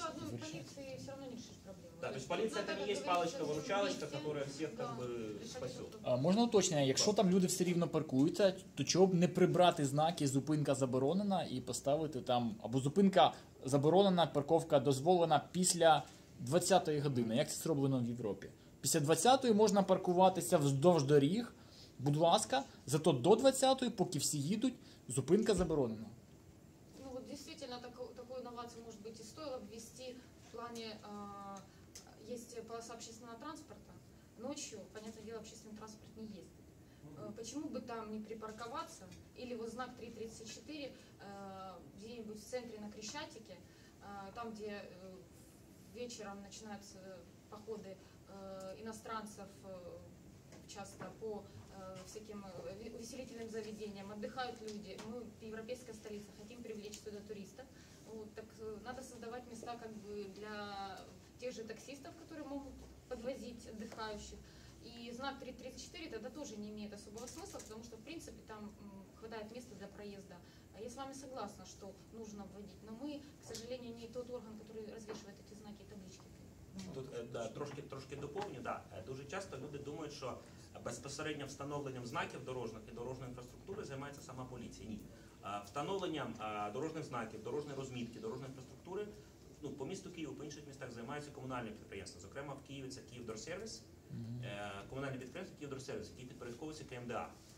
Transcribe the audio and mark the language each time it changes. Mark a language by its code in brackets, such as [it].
[ru] Средства одной полиции все равно не решит проблему. Да, то есть полиция это не есть палочка-выручалочка, которая всех как бы спасет. [uk] Можно уточнення, якщо там люди все рівно паркуються, то чого б не прибрати знаки «зупинка заборонена» і поставити там, або «зупинка заборонена, парковка дозволена після 20-ї години», як це зроблено в Європі. Після 20-ї можна паркуватися вздовж доріг, будь ласка, зато до 20-ї, поки всі їдуть, зупинка заборонена. Ну, от дійсно, таку інновацію, може бути, і стоїло б ввести в плані, є [ru] полоса общественного транспорта, ночью, [uk] понятне діло, [ru] общественный транспорт [uk] не їздить. [ru] Почему бы там не припарковаться, или вот знак 334 где-нибудь в центре на Крещатике, там, где вечером начинаются походы иностранцев часто по всяким увеселительным заведениям, отдыхают люди, мы европейская столица, хотим привлечь туда туристов, вот, так надо создавать места как бы для тех же таксистов, которые могут подвозить отдыхающих. И знак 334 тогда тоже не имеет особого смысла, потому что, в принципе, там хватает места для проезда. Я с вами согласна, что нужно вводить, но мы, к сожалению, не тот орган, который развешивает эти знаки и таблички. [uk] Тут, да, трошки доповню, да. Дуже часто люди [ru] думают, что [uk] безпосередньо встановленням знаків дорожних і дорожної інфраструктури займається сама поліція. Ні. встановленням дорожніх знаків, дорожньої розмітки, дорожньої інфраструктури, ну, по місту Києву, по інших містах займаються комунальні підприємства. Зокрема, в Києві це «Київдорсервіс», комунальні підприємства «Київдорсервіс», які підпорядковуються КМДА.